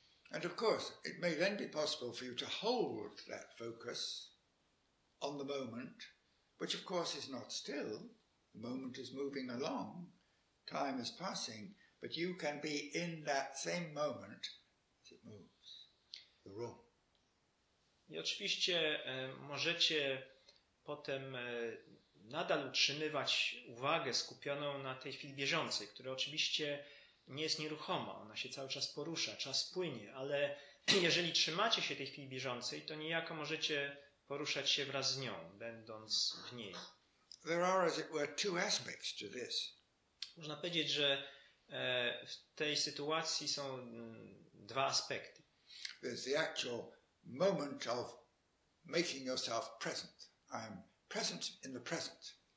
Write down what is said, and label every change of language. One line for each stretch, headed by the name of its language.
English: And of course, it may then be possible for you to hold that focus on the moment, which of course is not still. The moment is moving along, time is passing, but you can be in that same moment as it moves, the room.
Polish: I oczywiście możecie potem nadal utrzymywać uwagę skupioną na tej chwili bieżącej, która oczywiście nie jest nieruchoma, ona się cały czas porusza, czas płynie, ale jeżeli trzymacie się tej chwili bieżącej, to niejako możecie poruszać się wraz z nią, będąc w niej.
English: There are, as it were, two aspects to this.
Polish: Można powiedzieć, że w tej sytuacji są dwa aspekty.
English: There's the actual moment of making yourself present. I'm present in the present.